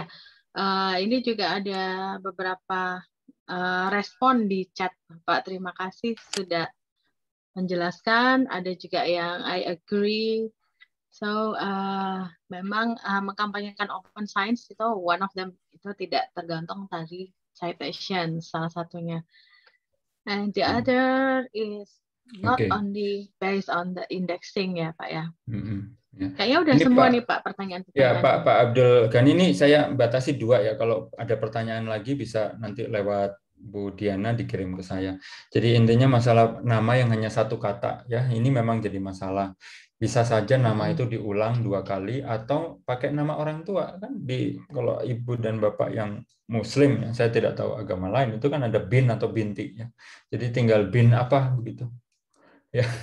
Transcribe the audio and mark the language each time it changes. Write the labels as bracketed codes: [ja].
[id] Ya, ini juga ada beberapa respon di chat, Pak. Terima kasih sudah menjelaskan. Ada juga yang [en] I agree. [id] So memang mengkampanyekan open science itu [en] one of them [id] itu tidak tergantung dari citation salah satunya. [en] And the other is not only based on the indexing ya Pak ya. [id] Ya. Kayaknya udah ini semua Pak, nih Pak pertanyaan. Ya Pak Abdul Ghani ini saya batasi dua ya, kalau ada pertanyaan lagi bisa nanti lewat Bu Diana dikirim ke saya. Jadi intinya masalah nama yang hanya satu kata ya, ini memang jadi masalah. Bisa saja nama itu diulang dua kali atau pakai nama orang tua kan, di kalau ibu dan bapak yang Muslim ya, saya tidak tahu agama lain itu kan ada bin atau binti ya, jadi tinggal bin apa begitu ya.